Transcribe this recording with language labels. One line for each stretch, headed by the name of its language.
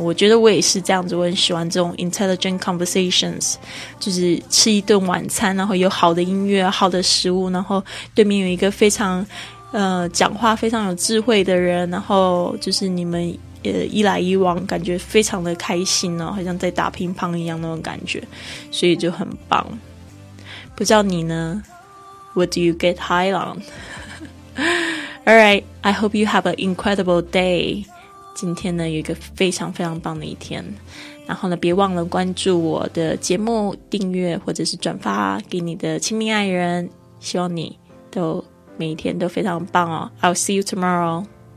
Chinese: 我觉得我也是这样子，我很喜欢这种
English: intelligent conversations，
Chinese: 就是吃一顿晚餐，然后有好的音乐，好的食物，然后对面有一个非常讲话非常有智慧的人，然后就是你们一来一往感觉非常的开心哦，好像在打乒乓一样那种感觉，所以就很棒。不知道你呢，
English: What do you get high on？ Alright, I hope you have an incredible day.
Chinese: 今天呢有一个非常非常棒的一天。然后呢别忘了关注我的节目，订阅或者是转发给你的亲密爱人。希望你都每一天都非常棒哦。
English: I'll see you tomorrow.